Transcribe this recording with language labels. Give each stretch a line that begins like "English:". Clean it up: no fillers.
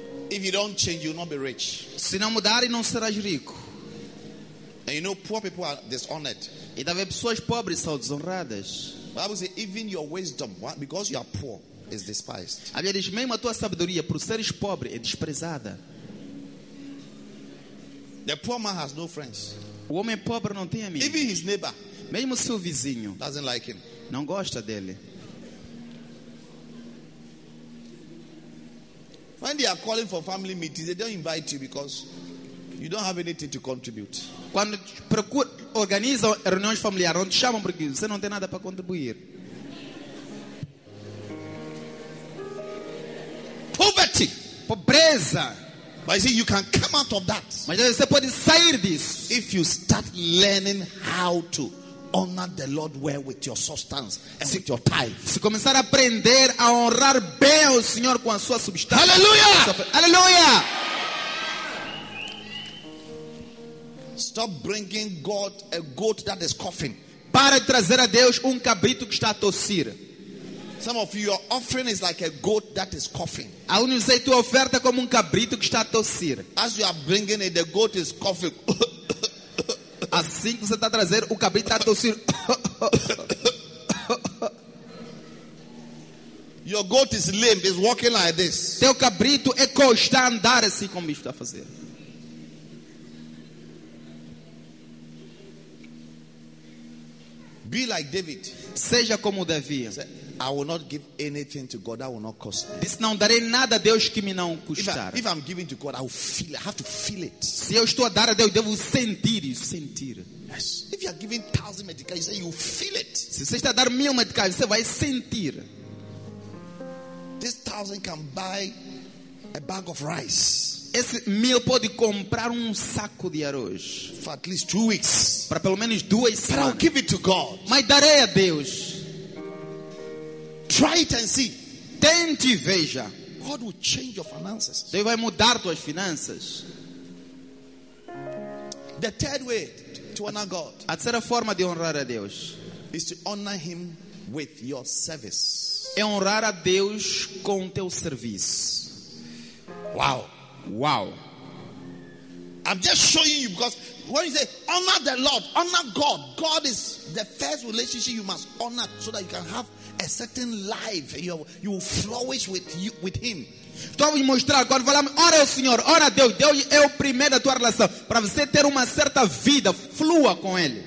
English: If you don't change, you'll not be rich.
Portuguese: Se não mudar, não serás rico.
English: And you know, poor people are dishonored.
Portuguese: E também pessoas pobres são desonradas.
English: But I would say, even your wisdom, because you are poor, is despised.
Portuguese: A Bíblia diz, mesmo a tua sabedoria, por seres pobre, é desprezada.
English: The poor man has no friends.
Portuguese: O homem pobre não tem amigos.
English: Even his neighbor,
Portuguese: mesmo seu vizinho,
English: doesn't like him.
Portuguese: Não gosta dele.
English: When they are calling for family meetings, they don't invite you because you don't have anything to contribute.
Portuguese: Quando organizam reuniões familiares, não te chamam porque você não tem nada para contribuir.
English: Poverty,
Portuguese: pobreza.
English: But you see, you can come out of that.
Portuguese: Mas você pode sair disso.
English: If you start learning how to honor the Lord well with your substance and with your tithe.
Portuguese: Se começar a aprender a honrar bem o Senhor com a sua substância. Hallelujah! Hallelujah!
English: Stop bringing God a goat that is coughing.
Portuguese: Para de trazer a Deus cabrito que está a tossir.
English: Some of you, your offering is like a goat that is coughing.
Portuguese: Alguns dizem tua oferta como cabrito que está a tossir.
English: As you are bringing it, the goat is coughing.
Portuguese: Assim que você está a trazer, o cabrito está a tossir.
English: Your goat is limp, is walking like this.
Portuguese: Teu cabrito é coxo, está a andar assim como isto está a fazer.
English: Be like David.
Portuguese: Seja como Davi.
English: I will not give anything to God that will not cost me.
Portuguese: Disse, não darei nada a Deus que me não custar.
English: If I'm giving to God, I will feel it. I have to feel it.
Portuguese: Se eu estou a dar a Deus, devo sentir isso. Sentir.
English: Yes. If you are giving 1,000 medicais, you say you feel it.
Portuguese: Se você está a dar 1,000 medicais, você vai sentir.
English: This 1,000 can buy a bag of rice.
Portuguese: Esse 1,000 pode comprar saco de arroz.
English: For at least 2 weeks.
Portuguese: Para pelo menos 2 semanas.
English: But I'll give it to God.
Portuguese: Mas darei a Deus.
English: Try it and see.
Portuguese: Tente e veja.
English: God will change your finances.
Portuguese: Deus vai mudar tuas finanças.
English: The third way to honor God.
Portuguese: A terceira forma de honrar a Deus.
English: Is to honor Him with your service.
Portuguese: É honrar a Deus com teu serviço. Wow. Wow.
English: I'm just showing you because when you say honor the Lord, honor God. God is the first relationship you must honor so that you can have a certain life. You will flourish with you with Him.
Portuguese: Estou a mostrar quando falamos, ora o Senhor, ora Deus. Deus é o primeiro da tua relação. Para você ter uma certa vida, flua com Ele.